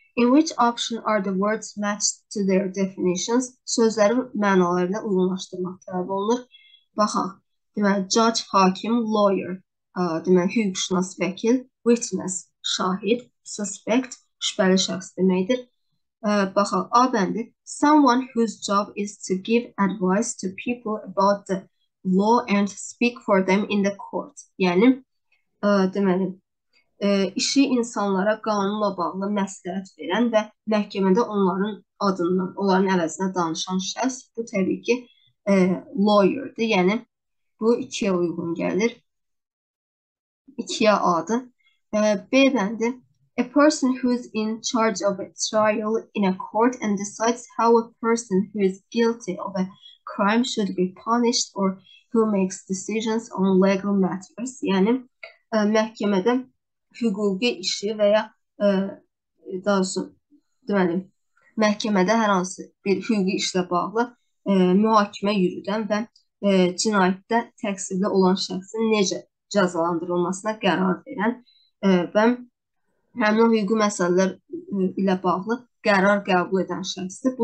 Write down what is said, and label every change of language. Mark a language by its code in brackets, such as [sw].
[en] In which option are the words matched to their definitions? [az] Sözlərin mənalarına uyğunlaşdırmaq tələb olunur. Baxaq. Deməli, judge, hakim, lawyer. Deməli, hüquqşünas, vəkil. Witness, şahid. Suspect, şübhəli şəxs deməkdir. Baxaq, A bəndi. [en] Someone whose job is to give advice to people about the law and speak for them in the court. [az] Yəni, deməli, işi insanlara qanunla bağlı məsləhət verən və məhkəmədə onların adından, onların əvəzinə danışan şəxs. Bu, təbii ki, lawyer-dir. Yəni, bu ikiyə uyğun gəlir. İkiyə adı. B bəndi. [en] A person who is in charge of a trial in a court and decides how a person who is guilty of a crime should be punished or who makes decisions on legal matters. [az] Yəni, məhkəmədə hüquqi işi və ya daha doğrusu, deməli, məhkəmədə hər hansı bir hüquqi işlə bağlı mühakimə yürüdən və cinayətdə təqsirli olan şəxsin necə cəzalandırılmasına qərar verən və həmin o hüquqi məsələlər ilə bağlı qərar qəbul edən şəxsdir.